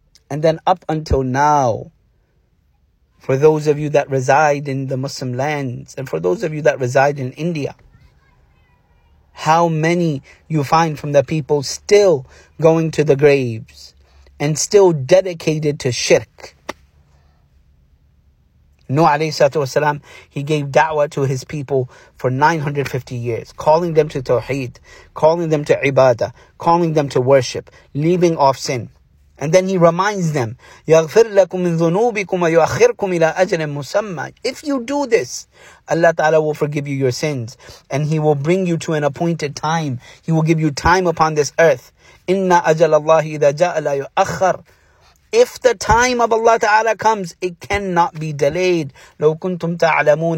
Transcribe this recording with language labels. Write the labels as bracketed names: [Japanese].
[English] And then up until now, for those of you that reside in the Muslim lands, and for those of you that reside in India, how many you find from the people still going to the graves and still dedicated to shirk. Nuh alayhi salatu wasalam, he gave da'wah to his people for 950 years, calling them to tawheed, calling them to ibadah, calling them to worship, leaving off sin. And then he reminds them, [Arabic] يَغْفِرْ لَكُم مِّن ذُنُوبِكُمْ وَيُؤَخِّرْكُمْ إِلَىٰ أَجْلٍ مُسَمَّى. [English] If you do this, Allah Ta'ala will forgive you your sins. And He will bring you to an appointed time. He will give you time upon this earth. [Arabic] إِنَّ أَجَلَ اللَّهِ إِذَا جَاءَ لَا يُؤَخَّرْ. [English] If the time of Allah Ta'ala comes, it cannot be delayed. [Arabic] لَوْ كُنْتُمْ تَعْلَمُونَ.